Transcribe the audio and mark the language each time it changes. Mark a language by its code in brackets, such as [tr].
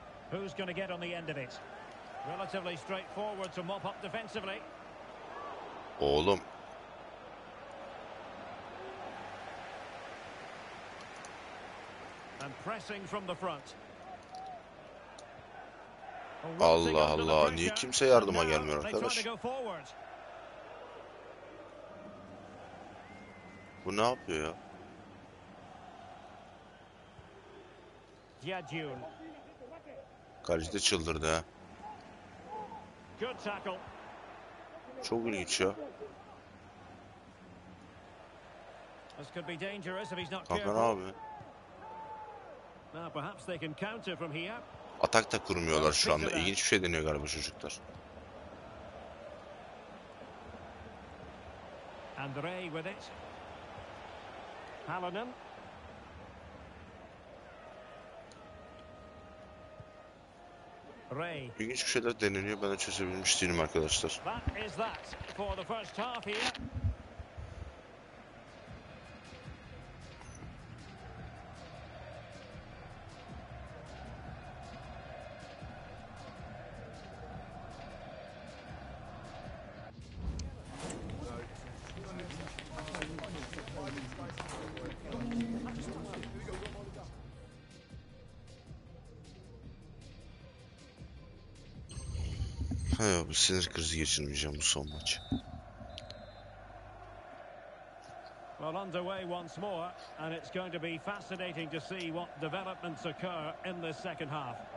[en] Who's going to get on the end of it? Relatively straightforward to mop up defensively. [tr] Oğlum. [en] And pressing from the front. [tr] Allah Allah, niye kimse yardıma gelmiyor arkadaş? Bu ne yapıyor ya? Diadjun. Kaleci de çıldırdı ha. Çok ilginç ya. [en] This could be dangerous if he's not careful. [tr] Kanka abi. [en] Now perhaps they can counter from here. [tr] Atak da kurmuyorlar şu anda. İlginç bir şey deniyor galiba çocuklar. [en] Andre with it. Hallinan. Ray. [tr] İlginç bir şeyler deneniyor. Ben de çözebilmiş değilim arkadaşlar. [en] That is that for the first half here. [tr] Ha, bu sinir krizi geçirmeyeceğim bu son maç. [en] Well, underway once more, and it's going to be fascinating to see what developments occur in the second half.